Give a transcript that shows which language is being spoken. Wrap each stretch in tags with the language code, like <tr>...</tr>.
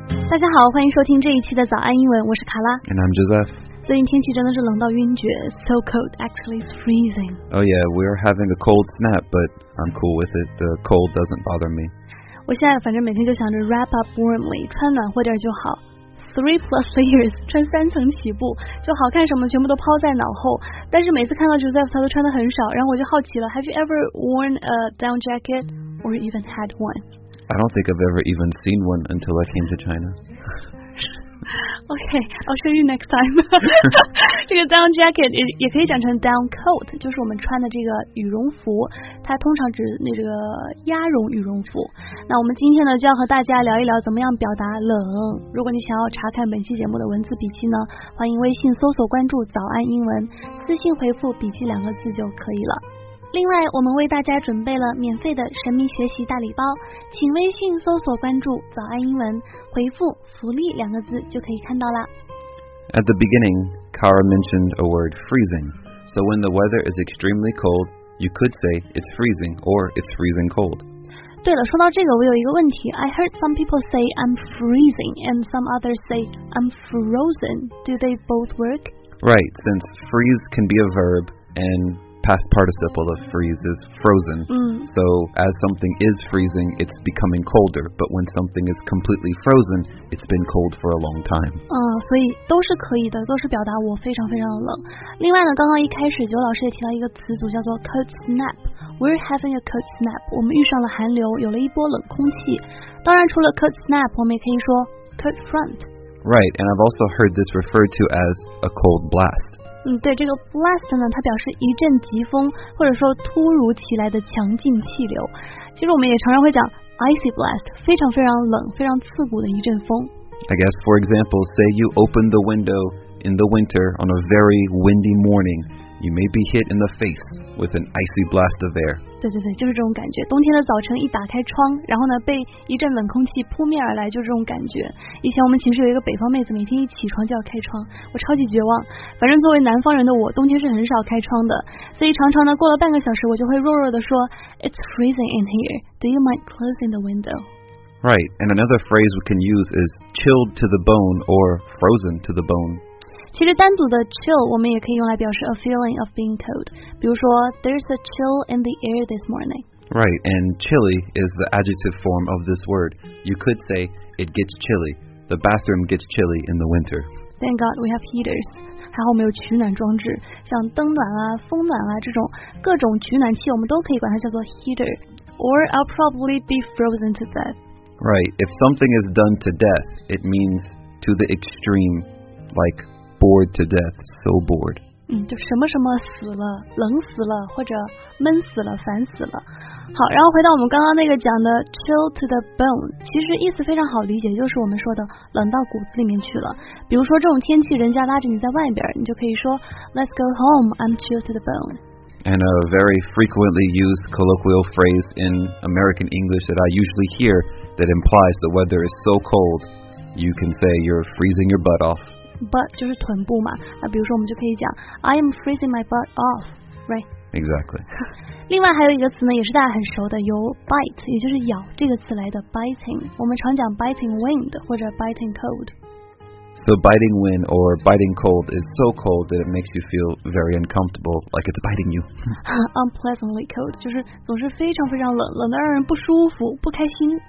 <zh>大家好，欢迎收听这一期的早安英文，我是卡拉。</zh> <en>And I'm Joseph。</en> <zh>最近天气真的是冷到晕厥，</zh> <en>so cold, actually it's freezing. Oh yeah, we are having a cold snap, but I'm cool with it. The cold doesn't bother me.</en> <zh>我现在反正每天就想着</zh> <en>wrap up warmly,</en> <zh>穿暖和点就好。</zh> <en>Three plus layers,</en> <zh>穿三层起步，就好看什么全部都抛在脑后。但是每次看到 Joseph, 他都穿得很少，然后我就好奇了，</zh> <en>Have you ever worn a down jacket or even had one? I don't think I've ever even seen one until I came to China. Okay, I'll show you next time.</en> <zh>这个 down jacket 也可以讲成 down coat, 就是我们穿的这个羽绒服，它通常指那这个鸭绒羽绒服。那我们今天呢就要和大家聊一聊怎么样表达冷。如果你想要查看本期节目的文字笔记呢，欢迎微信搜索关注早安英文，私信回复笔记两个字就可以了。另外我们为大家准备了免费的神秘学习大礼包，请微信搜索关注早安英文，回复福利两个字就可以看到了。</zh> <en>At the beginning, Kara mentioned a word freezing. So when the weather is extremely cold, you could say it's freezing or it's freezing cold.</en> <zh>对了，说到这个我有一个问题。</zh> <en>I heard some people say I'm freezing and some others say I'm frozen. Do they both work? Right, since freeze can be a verb andpast participle of freeze is frozen. So as something is freezing, it's becoming colder. But when something is completely frozen, it's been cold for a long time.</en> <zh>所以都是可以的，都是表达我非常非常的冷。另外呢，刚刚一开始九老师也提到一个词组叫做 cold snap.</zh> <en>We're having a cold snap.</en> <zh>我们遇上了寒流，有了一波冷空气。当然除了 cold snap, 我们也可以说 cold front.</zh> <en>Right, and I've also heard this referred to as a cold blast.</en> <zh>对，这个 blast 呢，它表示一阵疾风，或者说突如其来的强劲气流。其实我们也常常会讲 icy blast, 非常非常冷，非常刺骨的一阵风。</zh> <en>I guess, for example, say you open the window in the winter on a very windy morning, you may be hit in the face with an icy blast of air.</en> <zh>对对对，就是这种感觉。冬天的早晨一打开窗，然后呢，被一阵冷空气扑面而来，就是这种感觉。以前我们寝室有一个北方妹子，每天一起床就要开窗，我超级绝望。反正作为南方人的我，冬天是很少开窗的，所以常常呢，过了半个小时，我就会弱弱的说 ，</zh> <en>It's freezing in here. Do you mind closing the window? Right, and another phrase we can use is chilled to the bone or frozen to the bone.</en> <zh>其实单独的 chill 我们也可以用来表示</zh> <en>a feeling of being cold.</en> <zh>比如说</zh> <en>there's a chill in the air this morning. Right, and chilly is the adjective form of this word. You could say it gets chilly. The bathroom gets chilly in the winter. Thank God we have heaters.</en> <zh>还好我们有取暖装置，像灯暖啊、风暖啊这种各种取暖器，我们都可以管它叫做 heater.</zh> <en>Or I'll probably be frozen to death. Right, if something is done to death, it means to the extreme, like bored to death, so bored.</en> <zh>就什么什么死了，冷死了，或者闷死了，烦死了。好，然后回到我们刚刚那个讲的 chill to the bone, 其实意思非常好理解，就是我们说的冷到骨子里面去了。比如说这种天气，人家拉着你在外边，你就可以说</zh> <en>Let's go home, I'm chilled to the bone. And a very frequently used colloquial phrase in American English that I usually hear that implies the weather is so cold, you can say you're freezing your butt off.</en> <zh>Butt 就是臀部嘛，那比如说我们就可以讲</zh> <en>I am freezing my butt off, right? Exactly.</en> <zh>另外还有一个词呢，也是大家很熟的，由 bite, 也就是咬这个词来的 biting. 我们常讲 biting wind 或者 biting cold.</zh> <en>So biting wind or biting cold is so cold that it makes you feel very uncomfortable, like it's biting you. Unpleasantly cold,</en> <zh>就是总是非常非常冷，冷得让人不舒服，不开心。</zh>